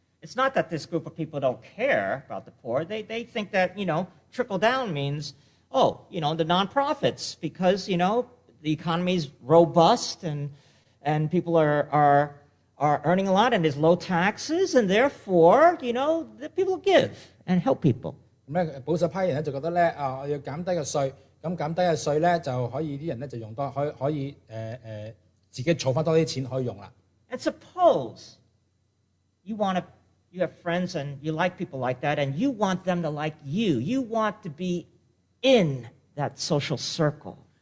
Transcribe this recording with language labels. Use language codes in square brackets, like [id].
[en] It's not that this group of people don't care about the poor. They think that, you know, trickle down means, oh, you know, the nonprofits, because, you know, the economy is robust and people are earning a lot and there's low taxes, and therefore, you know, the people give and help people. [yue] 保守派人就覺得咧，要減低個税，咁減低個税咧，就可以啲人咧就用多，可以自己儲翻多啲錢可以用啦。 [en] And suppose you want to. You have friends and you like people like that, and you want them to like you. You want to be in that social circle.